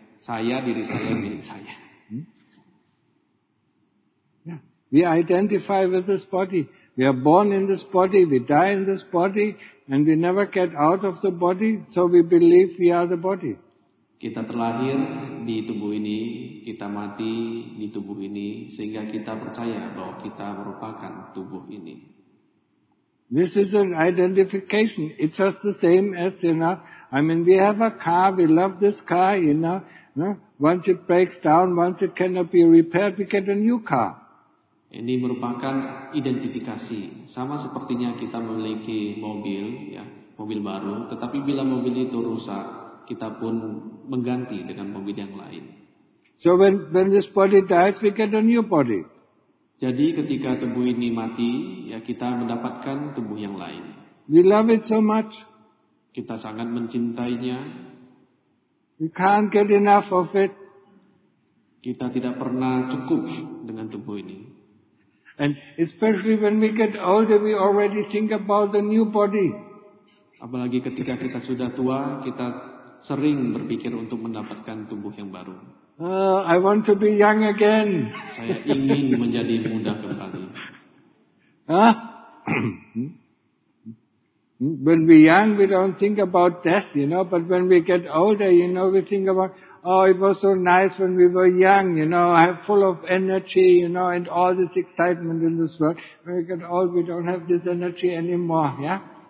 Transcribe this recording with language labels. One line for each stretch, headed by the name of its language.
Indonesian: Saya, diri saya, milik saya.
English: Yeah. We identify with this body. We are born in this body, we die in this body, and we never get out of the body, so we believe we are the body.
Indonesian: Kita terlahir di tubuh ini, kita mati di tubuh ini, sehingga kita percaya bahwa kita merupakan tubuh ini.
English: This is an identification. It's just the same as, you know, I mean, we have a car, we love this car, you know. Once it breaks down, once it cannot be repaired, we get a new car.
Indonesian: Ini merupakan identifikasi. Sama sepertinya kita memiliki mobil, ya, mobil baru, tetapi bila mobil itu rusak, kita pun mengganti dengan mobil yang lain.
English: So when this body dies, we get a new body.
Indonesian: Jadi ketika tubuh ini mati, ya kita mendapatkan tubuh yang lain.
English: We love it so much.
Indonesian: Kita sangat mencintainya.
English: We can't get enough of it.
Indonesian: Kita tidak pernah cukup dengan tubuh ini.
English: And especially when we get older, we already think about the new body.
Indonesian: Apalagi ketika kita sudah tua, kita sering berpikir untuk mendapatkan tubuh yang baru.
English: I want to be young again.
Indonesian: Saya ingin menjadi muda kembali. Huh?
English: When we're young, we don't think about death, you know. But when we get older, you know, we think about, oh, it was so nice when we were young, you know, full of energy, you know, and all this excitement in this world. When we get old, we don't have this energy anymore, yeah?